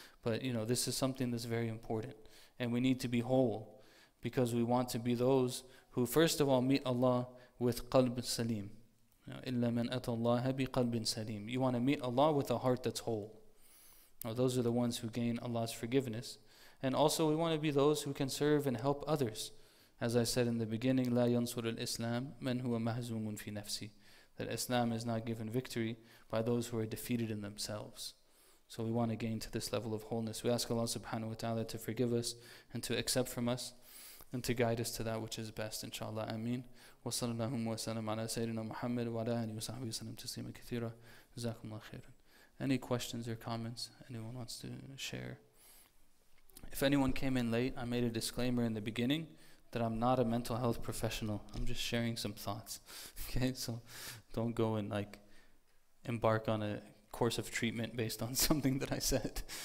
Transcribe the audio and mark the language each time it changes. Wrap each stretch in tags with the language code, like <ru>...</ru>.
<en>But, you know, this is something that's very important. And we need to be whole, because we want to be those who, first of all, meet Allah with qalb salim.</en> <ar>إِلَّا مَنْ أَتَى اللَّهَ بِقَلْبٍ سَلِيمٍ.</ar> <en>You want to meet Allah with a heart that's whole. Now, those are the ones who gain Allah's forgiveness. And also, we want to be those who can serve and help others. As I said in the beginning,</en> <ar>لَا يَنْصُرُ الْإِسْلَامِ مَنْ هُوَ مَهْزُومٌ فِي نَفْسِي.</ar> <en>That Islam is not given victory by those who are defeated in themselves. So we want to gain to this level of wholeness. We ask Allah subhanahu wa ta'ala to forgive us and to accept from us and to guide us to that which is best, inshallah. Ameen.</en> <ar>وصلى الله وسلم على سيدنا محمد وعلى آله وصحبه وسلم تسليما كثيرا جزاكم الله خيرا.</ar> <en>Any questions or comments anyone wants to share? If anyone came in late, I made a disclaimer in the beginning that I'm not a mental health professional. I'm just sharing some thoughts. Okay, so don't go and like embark on a course of treatment based on something that I said.</en>